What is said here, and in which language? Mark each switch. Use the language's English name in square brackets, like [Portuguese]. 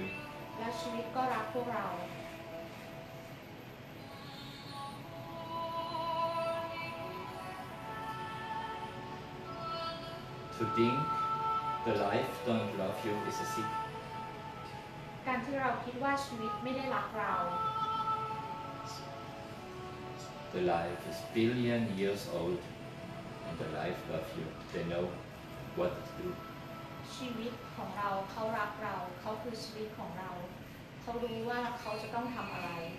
[English] To think the life don't love you is a sin. [Thai] การที่เราคิดว่าชีวิตไม่ได้รักเรา [English] The life is billion years old, and the life loves you. They know what to do. [Thai] ชีวิตของเราเขารักเราเขาคือชีวิตของเราเขารู้ว่าเขาจะต้องทำอะไร